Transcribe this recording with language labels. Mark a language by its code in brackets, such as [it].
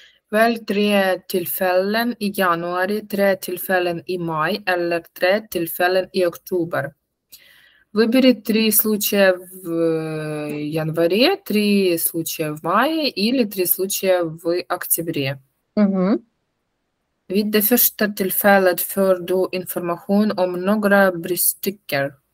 [sv] Väl tre tillfällen i januari, tre tillfällen i maj eller tre tillfällen i oktober. [ru] Выбери три случая в январе, три случая в мае или три случая в октябре. [sv] Vid det första tillfället får du information om några bristycker.